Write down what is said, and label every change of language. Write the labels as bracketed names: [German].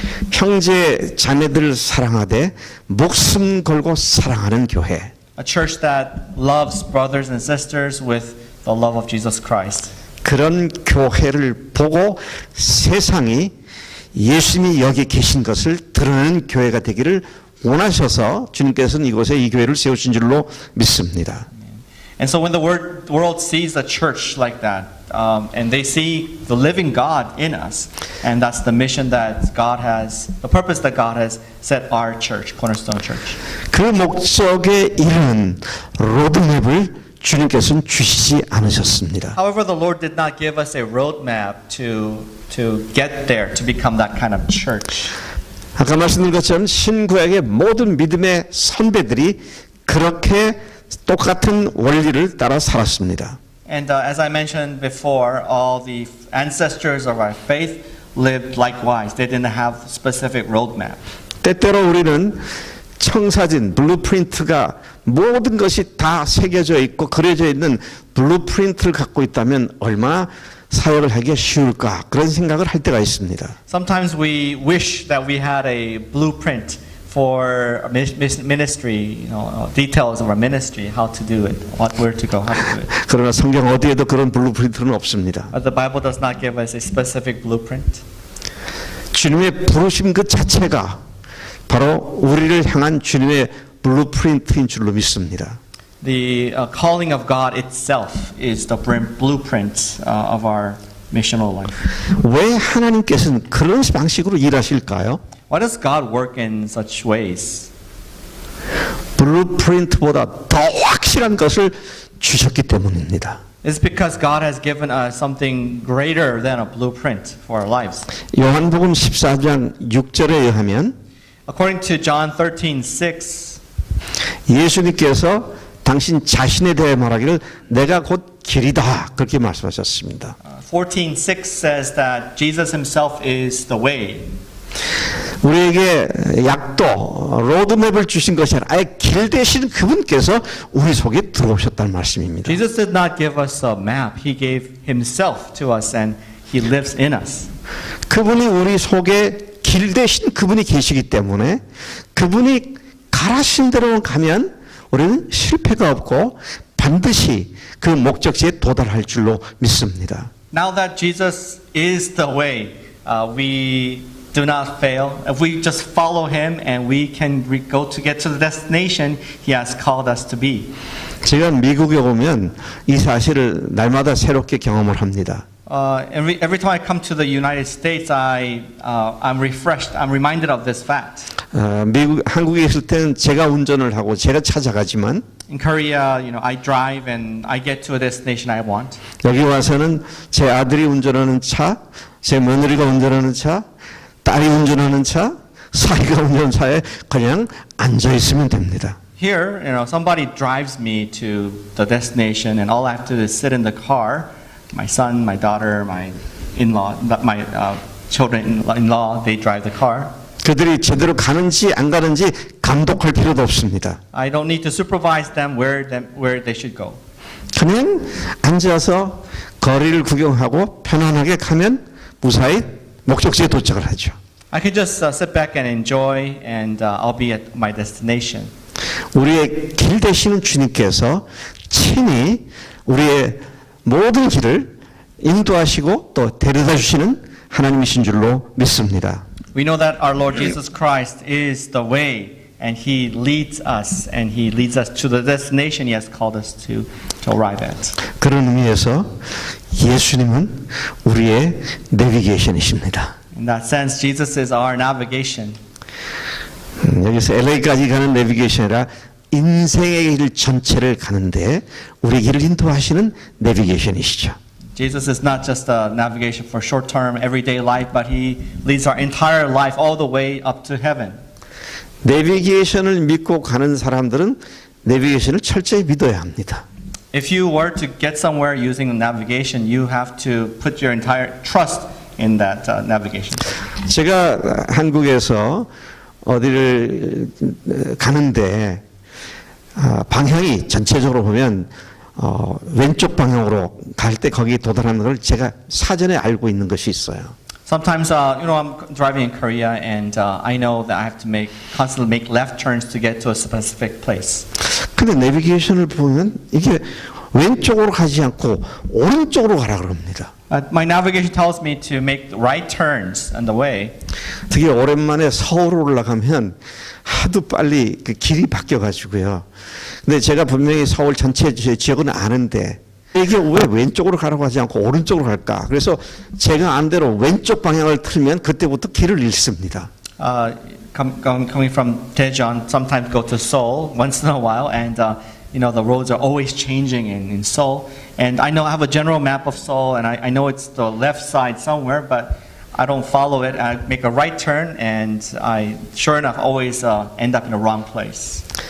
[Korean] 형제 자매들 사랑하되 목숨 걸고 사랑하는 교회. [English] A church that loves brothers and sisters with the love of Jesus Christ. [Korean] 그런 교회를 보고 세상이 예수님이 여기 계신 것을 드러내는 교회가 되기를 원하셔서 주님께서는 이곳에 이 교회를 세우신 줄로 믿습니다. [English] And so when the world sees a church like that, and they see the living God in us, and that's the mission that God has, the purpose that God has set our church, Cornerstone Church. [Korean] 그 목적에 이르는 로드맵을 주님께서는 주시지 않으셨습니다. [English] However, the Lord did not give us a roadmap to get there, to become that kind of church. [Korean] 아까 말씀드린 것처럼 신구약의 모든 믿음의 선배들이 그렇게 똑같은 원리를 따라 살았습니다. [English] And as I mentioned before, all the ancestors of our faith lived likewise. They didn't have specific roadmap. [Korean] 때때로 우리는 청사진, 블루프린트가 모든 것이 다 새겨져 있고 그려져 있는 블루프린트를 갖고 있다면 얼마나 사역을 하기 쉬울까 그런 생각을 할 때가 있습니다. [English] Sometimes we wish that we had a blueprint for ministry, you know, details of our ministry, how to do it, what where to go, how to do it. [Korean] 그러나 성경 어디에도 그런 블루프린트는 없습니다. [English] But the Bible does not give us a specific blueprint. [Korean] 주님의 부르심 그 자체가 바로 우리를 향한 주님의 블루프린트인 줄로 믿습니다. [English] The calling of God itself is the blueprint of our missional life. [Korean] 왜 하나님께서는 그런 방식으로 일하실까요? [English] Why does God work in such ways? [Korean] 블루프린트보다 더 확실한 것을 주셨기 때문입니다. [English] It's because God has given us something greater than a blueprint for our lives. [Korean] 요한복음 14장 6절에 의하면 [English] According to John 13:6 [Korean] 예수님께서 당신 자신에 대해 말하기를 내가 곧 길이다 그렇게 말씀하셨습니다. [English] 14:6 says that Jesus himself is the way. [Korean] 우리에게 약도 로드맵을 주신 것이 아니라 아예 길 대신 그분께서 우리 속에 들어오셨다는 말씀입니다. [English] Jesus did not give us a map. He gave himself to us and he lives in us. [Korean] 그분이 우리 속에 길 대신 그분이 계시기 때문에 그분이 가라신 대로 가면 우리는 실패가 없고 반드시 그 목적지에 도달할 줄로 믿습니다. [English] Now that Jesus is the way, we do not fail. If we just follow him and we can go to get to the destination he has called us to be. [Korean] 제가 미국에 오면 이 사실을 날마다 새롭게 경험을 합니다. [English] Every time I come to the United States, I'm refreshed. I'm reminded of this fact. [Korean] 미국 한국에 있을 때는 제가 운전을 하고 제가 찾아가지만. [English] In Korea, you know, I drive and I get to a destination I want. [Korean] 여기 와서는 제 아들이 운전하는 차, 제 며느리가 운전하는 차, 딸이 운전하는 차, 사위가 운전하는 차에 그냥 앉아 있으면 됩니다. [English] Here, you know, somebody drives me to the destination, and all I have to do is sit in the car. My son, my daughter, my in-law, my children in-law, they drive the car. [Korean] 그들이 제대로 가는지 안 가는지 감독할 필요도 없습니다. [English] I don't need to supervise them where they should go. [Korean] 그냥 앉아서 거리를 구경하고 편안하게 가면 무사히 목적지에 도착을 하죠. [English] I can just sit back and enjoy and I'll be at my destination. [Korean] 우리의 길 되시는 주님께서 친히 우리의 모든 길을 인도하시고 또 데려다 주시는 하나님이신 줄로 믿습니다. [English] We know that our Lord Jesus Christ is the way and he leads us and he leads us to the destination he has called us to arrive at. [Korean] 그런 의미에서 예수님은 우리의 내비게이션이십니다. [English] In that sense, Jesus is our navigation. [Korean] 여기서 LA까지 가는 내비게이션이라 인생의 길 전체를 가는데 우리 길을 인도하시는 내비게이션이시죠. [English] Jesus is not just a navigation for short-term everyday life, but he leads our entire life all the way up to heaven. [Korean] 내비게이션을 믿고 가는 사람들은 내비게이션을 철저히 믿어야 합니다. [English] If you were to get somewhere using a navigation, you have to put your entire trust in that navigation. [Korean] 제가 한국에서 어디를 가는데 방향이 전체적으로 보면 왼쪽 방향으로 갈 때 거기 도달하는 걸 제가 사전에 알고 있는 것이 있어요. [English] Sometimes you know I'm driving in Korea and I know that I have to constantly make left turns to get to a specific place. [Korean] 근데 내비게이션을 보면 이게 왼쪽으로 가지 않고 오른쪽으로 가라 그럽니다. [English] My navigation tells me to make the right turns on the way. [Korean] 특히 오랜만에 서울 올라가면 하도 빨리 그 길이 바뀌어 가지고요. 근데 제가 분명히 서울 전체 지역은 아는데 이게 왜 왼쪽으로 가라고 하지 않고 오른쪽으로 갈까? 그래서 제가 안 대로 왼쪽 방향을 틀면 그때부터 길을 잃습니다. [English] Coming from Daejeon, sometimes go to Seoul once in a while, and you know the roads are always changing in Seoul. And I know I have a general map of Seoul, and I know it's the left side somewhere, but I don't follow it. I make a right turn, and I sure enough always end up in the wrong place.